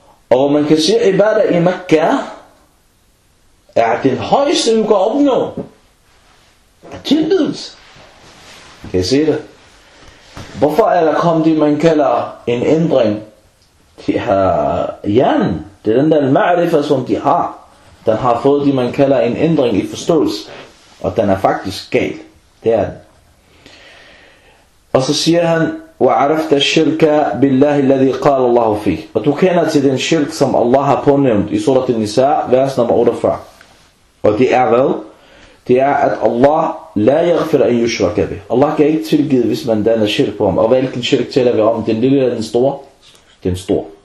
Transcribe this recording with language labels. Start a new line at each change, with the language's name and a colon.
Danish: Og hvor man kan sige, at ibadah i Mekka er den højeste, du kan opnå. Er tilbydelse. Kan I se det? Hvorfor er der kommet det, man kalder en ændring? De har hjernen. Det er den der ma'rifa, som de har. Den har fået det, man kalder en ændring i forståelse. Og den er faktisk galt. Det er den. Og så siger han,
Arabic: وَعَرَفْتَ الشِّرْكَ بِاللَّهِ الَّذِي قَالَ اللَّهُ فِيهِ.
Danish: Og du kender til den shirk, som Allah har pånævnt i surat al-Nisa, vers nummer 48. Og det er vel? Det er, at Allah
Arabic: la yaghfir an yushraka bih.
Danish: Allah kan ikke tilgive, hvis man danner shirk på ham. Og hvilken shirk taler vi om? Den lille eller den store? Den store.